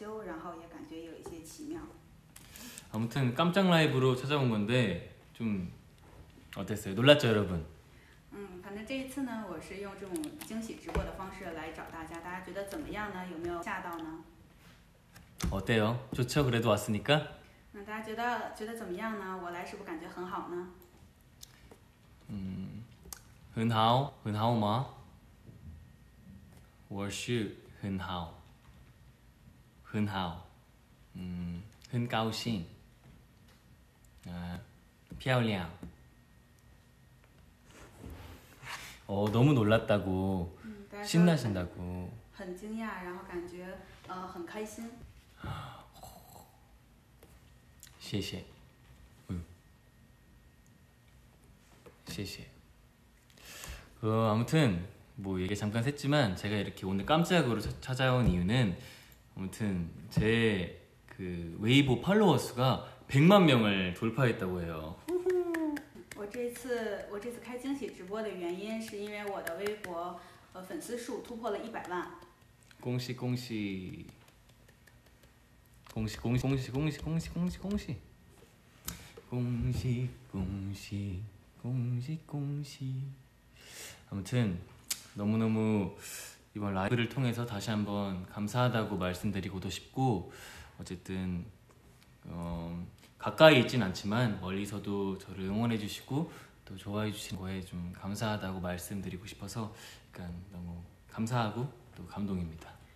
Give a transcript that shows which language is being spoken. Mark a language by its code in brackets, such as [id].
[zh] 然后因为这次跟大家问好也是时隔了很久，所以我也有一些感到害羞，然后也感觉有一些奇妙。 [ko] 아무튼 깜짝 라이브로 찾아온 건데 좀 어땠어요? 놀랐죠, 여러분? [zh] 反正这一次呢，我是用这种惊喜直播的方式来找大家，大家觉得怎么样呢？有没有吓到呢？ [ko] 어때요? 좋죠? 그래도 왔으니까. [zh] 大家觉得怎么样呢？我来是不是感觉很好呢？很好, 很好吗?我是很好, 很好, 很高兴. 漂亮. [ko] 너무 놀랐다고. 신나신다고. [zh] 很惊讶，然后感觉很开心。谢谢. 谢谢. [ko] 아무튼 뭐 얘기 잠깐 했지만 제가 이렇게 오늘 깜짝으로 찾아온 이유는 아무튼 제 그 웨이보 팔로워 수가 100만 명을 돌파했다고 해요. [zh] 我这次开惊喜直播的原因是因为我的微博粉丝数突破了100万。恭喜 恭喜 恭喜 恭喜 恭喜 恭喜 恭喜 恭喜 恭喜 恭喜 恭喜 恭喜 恭喜. [ko] 아무튼 너무너무 이번 라이브를 통해서 다시 한번 감사하다고 말씀드리고도 싶고 어쨌든 가까이 있진 않지만 멀리서도 저를 응원해 주시고 또 좋아해 주신 거에 좀 감사하다고 말씀드리고 싶어서 약간 너무 감사하고 또 감동입니다.